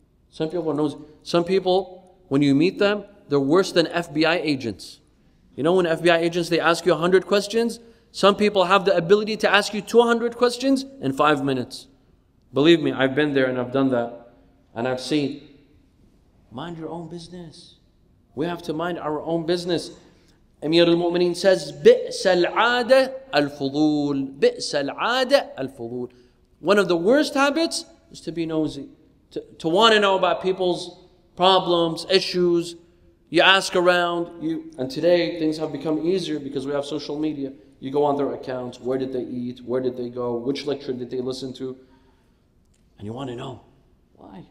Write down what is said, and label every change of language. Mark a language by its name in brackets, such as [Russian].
[English] Some people, when you meet them, they're worse than FBI agents. You know when FBI agents, they ask you 100 questions? Some people have the ability to ask you 200 questions in 5 minutes. Believe me, I've been there and I've done that. And I've seen, mind your own business. We have to mind our own business. Amir al-Mu'mineen says, [Arabic] بِئْسَ الْعَادَةَ الْفُضُولِ بِئْسَ الْعَادَةَ الْفُضُولِ. [English] One of the worst habits is to be nosy, to want to know about people's problems, issues. You ask around. And today, things have become easier because we have social media. You go on their accounts. Where did they eat? Where did they go? Which lecture did they listen to? And you want to know. Why?